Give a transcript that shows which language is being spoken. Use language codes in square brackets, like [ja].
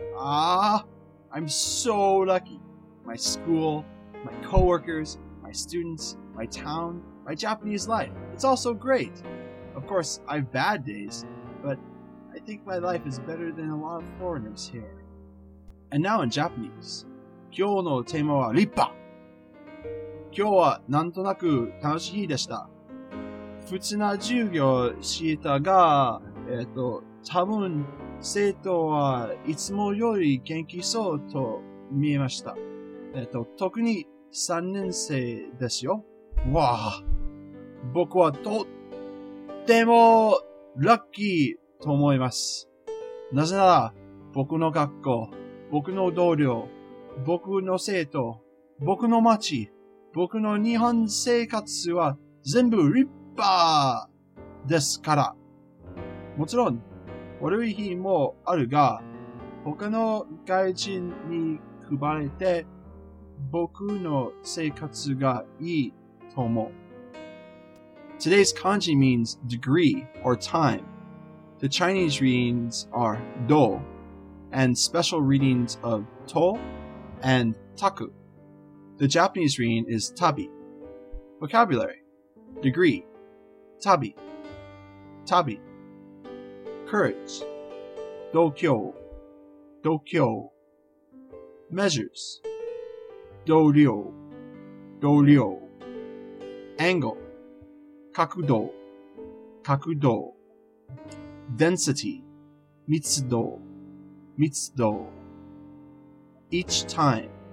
[en] I'm so lucky. My school, my coworkers, my students, my town, my Japanese life. It's all so great. Of course, I have bad days, but I think my life is better than a lot of foreigners here. And now in Japanese. [ja] 今日のテーマは立派。今日はなんとなく楽しい日でした。普通な授業をしたが、多分生徒はいつもより元気そうと見えました。特に3年生ですよ。わあ、僕はとってもラッキーと思います。なぜなら、僕の学校、僕の同僚、僕の生徒、僕の街、僕の日本生活は全部立派ですから。もちろん、悪い日もあるが、他の外人に比べて、僕の生活がいいと思う。 [en] Today's kanji means degree or time. The Chinese readings are do, and special readings of to and taku. The Japanese reading is tabi. Vocabulary. Degree. Tabi. Tabi. Courage. Dokyo. Dokyo. Measures. Doryo. Doryo. Angle. Kakudo. Kakudo. Density. Mitsudo. Mitsudo. Each time.